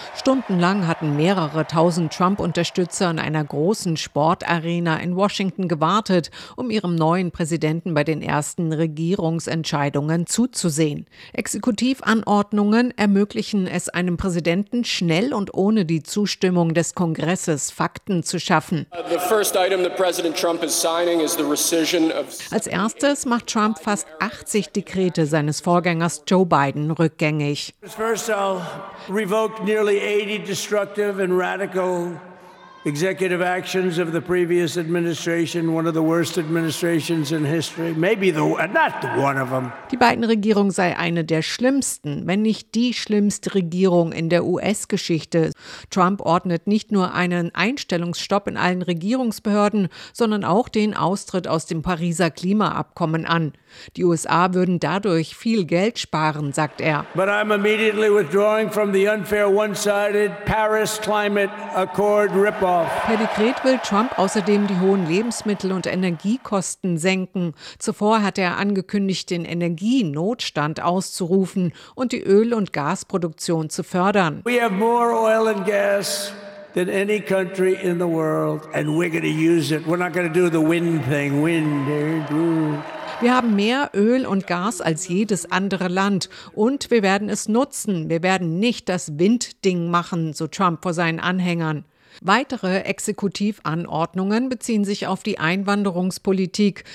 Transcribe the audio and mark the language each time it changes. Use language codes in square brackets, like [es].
[de] Stundenlang hatten mehrere tausend Trump-Unterstützer in einer großen Sportarena in Washington gewartet, um ihrem neuen Präsidenten bei den ersten Regierungsentscheidungen zuzusehen. Exekutivanordnungen ermöglichen es einem Präsidenten, schnell und ohne die Zustimmung des Kongresses Fakten zu schaffen. [en] The first item that President Trump is signing is the rescission. [de] Als erstes macht Trump fast 80 Dekrete seines Vorgängers Joe Biden rückgängig. [en] First I'll revoke nearly 80 destructive and radical executive actions of the previous administration, one of the worst administrations in history, maybe the not the one of them. [de] Die Biden-Regierung sei eine der schlimmsten, wenn nicht die schlimmste Regierung in der US-Geschichte. Trump ordnet nicht nur einen Einstellungsstopp in allen Regierungsbehörden, sondern auch den Austritt aus dem Pariser Klimaabkommen an. Die USA würden dadurch viel Geld sparen, sagt er. [en] But I'm immediately withdrawing from the unfair one-sided Paris Climate Accord. [de] Per Dekret will Trump außerdem die hohen Lebensmittel- und Energiekosten senken. Zuvor hatte er angekündigt, den Energienotstand auszurufen und die Öl- und Gasproduktion zu fördern. [en] We have more oil and gas than any country in the world, and we're going to use it. We're not going to do the wind thing. [de] Wir haben mehr Öl und Gas als jedes andere Land und wir werden es nutzen. Wir werden nicht das Windding machen, so Trump vor seinen Anhängern. Weitere Exekutivanordnungen beziehen sich auf die Einwanderungspolitik.